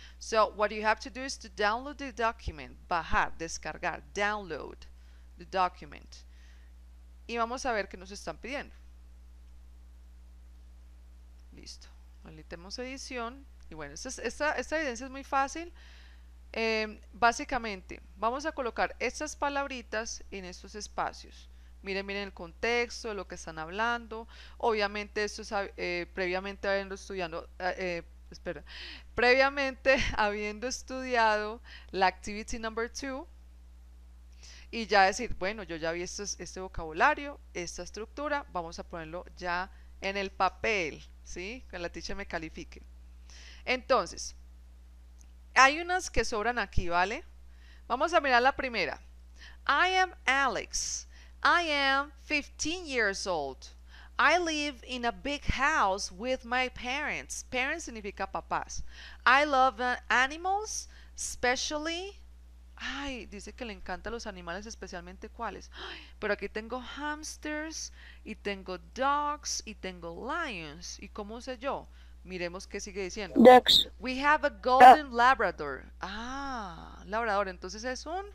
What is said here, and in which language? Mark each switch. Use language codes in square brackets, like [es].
[en] So, what you have to do is to download the document. [es] Bajar, descargar, [en] download the document. [es] Y vamos a ver qué nos están pidiendo. Listo. Habilitemos edición. Y bueno, esta evidencia es muy fácil. Básicamente, vamos a colocar estas palabritas en estos espacios. Miren, miren el contexto de lo que están hablando. Obviamente, esto es previamente habiendo estudiado. Espera. Previamente habiendo estudiado la [en] activity number two. [es] Y ya decir, bueno, yo ya vi este vocabulario, esta estructura. Vamos a ponerlo ya en el papel, ¿sí? Que la teacher me califique. Entonces, hay unas que sobran aquí, ¿vale? Vamos a mirar la primera. [en] I am Alex. I am 15 years old. I live in a big house with my parents. Parents [es] significa papás. [en] I love animals, especially. [es] Ay, dice que le encantan los animales, especialmente cuáles. Ay, pero aquí tengo hamsters y tengo dogs y tengo lions. ¿Y cómo sé yo? Miremos qué sigue diciendo. Dex. [en] We have a golden labrador. Ah, labrador. [es] Entonces es un